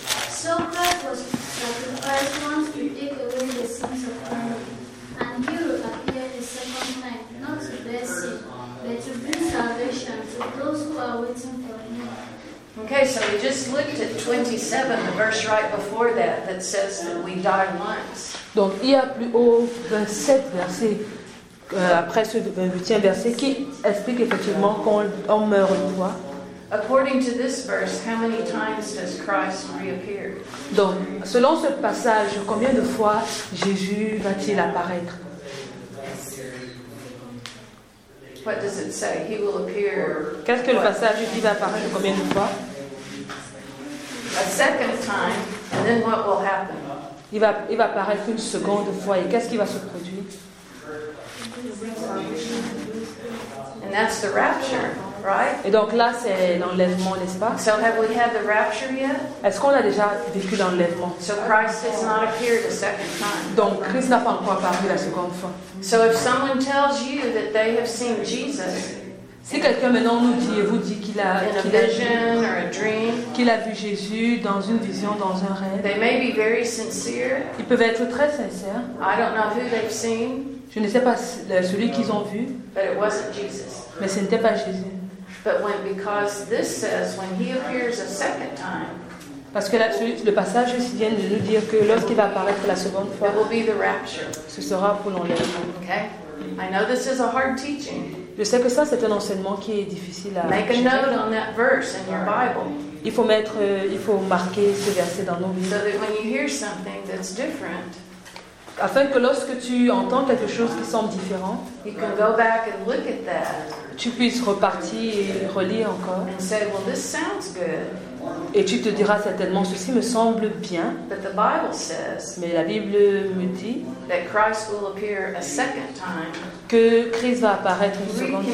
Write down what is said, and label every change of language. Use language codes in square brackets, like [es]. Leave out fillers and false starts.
[en] So Christ was sacrificed once to take away the sins of men, and he will appear the second time, not to bear sin, but to bring salvation to those who are waiting for him. Okay, so we just looked at 27, the verse right before that, that says that we die once. [fr] Donc il y a plus haut 27 versets. Après ce 28e verset qui explique effectivement qu'on meurt une fois. [en] According to this verse, how many times does Christ reappear? [fr] Donc, selon ce passage, combien de fois Jésus va-t-il apparaître? [en] What does it say? He will appear. [fr] Qu'est-ce que le passage dit va apparaître combien de fois? [en] A second time, and then what will happen? [fr] Il va apparaître une seconde fois, et qu'est-ce qui va se produire? [en] And that's the rapture, right? [fr] Et donc là, c'est l'enlèvement, n'est-ce pas? [en] So have we had the rapture yet? [fr] Est-ce qu'on a déjà vécu l'enlèvement? [en] So Christ has not appeared a second time. [fr] Donc Christ n'a pas encore apparu la seconde fois. [en] So if someone tells you that they have seen Jesus, [fr] si quelqu'un maintenant nous dit et vous dit qu'il a vu Jésus dans une vision, dans un rêve, [en] they may be very sincere. [fr] Ils peuvent être très sincères. [en] I don't know who they've seen. [fr] Je ne sais pas celui qu'ils ont vu, [en] but it wasn't Jesus. [fr] Mais ce n'était pas Jésus. [en] But when, because this says when he appears a second time, [fr] parce que là, le passage vient de nous dire que lorsqu'il va apparaître la seconde fois, [en] it will be the rapture. [fr] Ce sera pour l'enlèvement. [en] Okay. I know this is a hard teaching. [fr] Je sais que ça, c'est un enseignement qui est difficile à. [en] Make a note on that verse in your Bible. [fr] Il faut marquer ce verset dans nos Bibles. [en] So that when you hear something that's different. [fr] Afin que lorsque tu entends quelque chose qui semble différent, [en] you can go back and look at that, [fr] tu puisses repartir et relire encore. [en] And say, well, this sounds good. [fr] Et tu te diras certainement, ceci me semble bien. [en] But the Bible says, [fr] mais la Bible me dit [en] that Christ will appear a second time, [fr] que Christ va apparaître une seconde fois.